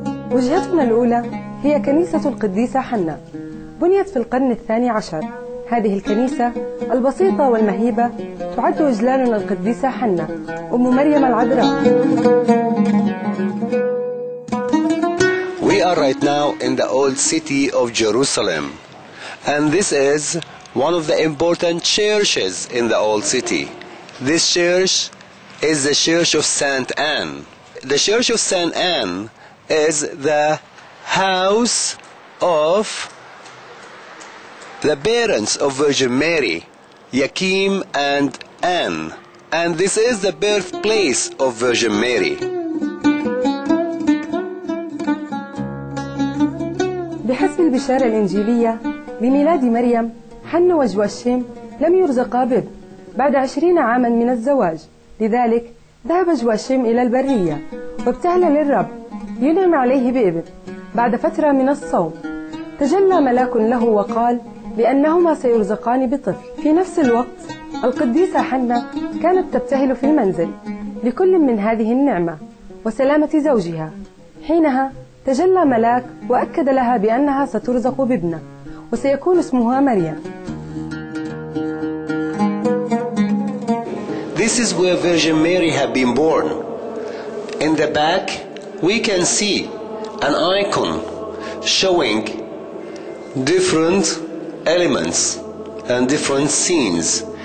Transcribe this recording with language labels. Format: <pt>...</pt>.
<ar>وجهتنا الأولى هي كنيسة القديسة حنة، بنيت في القرن الثاني عشر. هذه الكنيسة البسيطة والمهيبة تعد إجلالا للقديسة حنة أم مريم العذراء.</ar> <en>We are right now in the old city of Jerusalem, and this is one of the important churches in the old city. This church is the Church of Saint Anne. The Church of Saint Anne is the house of the parents of Virgin Mary, Joachim and Anne, and this is the birthplace of Virgin Mary.</en> <ar>بحسب البشارة الإنجيلية لميلاد مريم، حنة وجواشيم لم يرزقا باب بعد 20 عاما من الزواج، لذلك ذهب جواشيم إلى البرية وابتهل للرب ينعم عليه بابن. بعد فترة من الصوم تجلى ملاك له وقال بأنهما سيرزقان بطفل. في نفس الوقت القديسة حنة كانت تبتهل في المنزل لكل من هذه النعمة وسلامة زوجها. حينها تجلى ملاك وأكد لها بأنها سترزق بابنة وسيكون اسمها مريم.</ar> <en>This is where Virgin Mary had been born. In the back we can see an icon showing different elements and different scenes.</en>